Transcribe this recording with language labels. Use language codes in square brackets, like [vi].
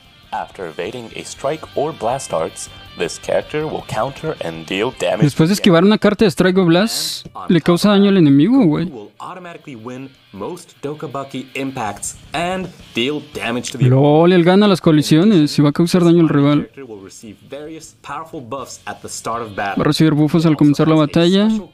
[en] After evading a strike or blast arts, this character will counter and deal damage. [es] Después de esquivar una carta de strike o blast, le causa daño al enemigo, güey. [en] Will automatically win most Dokkaebaki impacts and deal damage to the opponent. [es] LOL, él gana las colisiones y va a causar daño al rival. Va a recibir buffos al comenzar la batalla.